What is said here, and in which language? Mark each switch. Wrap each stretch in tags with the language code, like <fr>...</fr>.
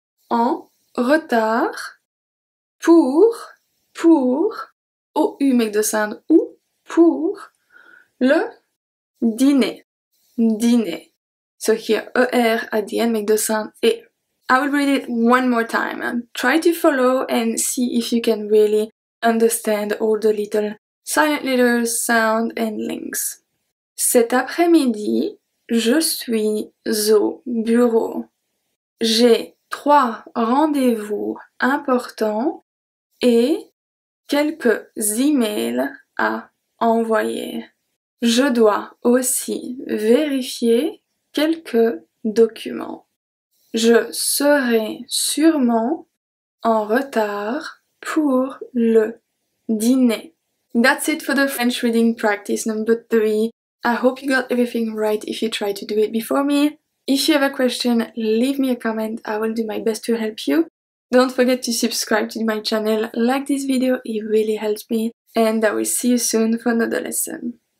<fr>En retard, pour, OU</fr> <en>make the sound</en> <fr>OU, pour, le dîner, dîner.</fr> <en>So here, ER at the end make the sound E. I will read it one more time. Try to follow and see if you can really understand all the little silent letters, sound and links.</en> <fr>Cet après-midi, je suis au bureau. J'ai trois rendez-vous importants et quelques emails à envoyer. Je dois aussi vérifier quelques documents. Je serai sûrement en retard pour le dîner.</fr> <en>That's it for the French reading practice number 3. I hope you got everything right if you tried to do it before me. If you have a question, leave me a comment. I will do my best to help you. Don't forget to subscribe to my channel. Like this video, it really helps me. And I will see you soon for another lesson.</en>